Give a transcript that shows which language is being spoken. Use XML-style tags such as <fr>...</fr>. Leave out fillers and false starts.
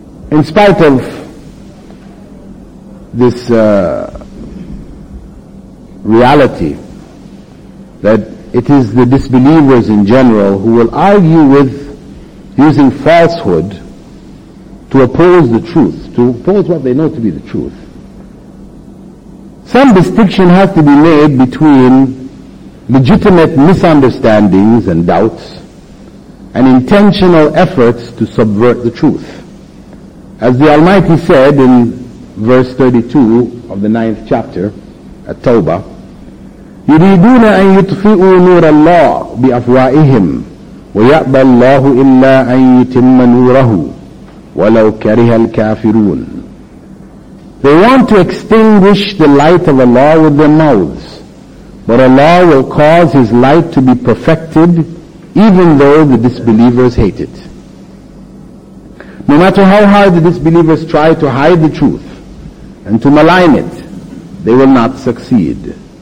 <en>in spite of this reality that it is the disbelievers in general who will argue with using falsehood to oppose the truth, to oppose what they know to be the truth. Some distinction has to be made between legitimate misunderstandings and doubts and intentional efforts to subvert the truth. As the Almighty said in verse 32 of the 9th chapter at Tawbah,</en> <ar>يُرِيدُونَ أَن يُطْفِئُوا نُورَ اللَّهِ بِأَفْوَائِهِمْ وَيَأْبَى اللَّهُ إِلَّا أَن يُتِمَّ نُورَهُ وَلَوْ كَرِهَ الْكَافِرُونَ.</ar> <en>They want to extinguish the light of Allah with their mouths, but Allah will cause His light to be perfected even though the disbelievers hate it. No matter how hard the disbelievers try to hide the truth and to malign it, they will not succeed.</en>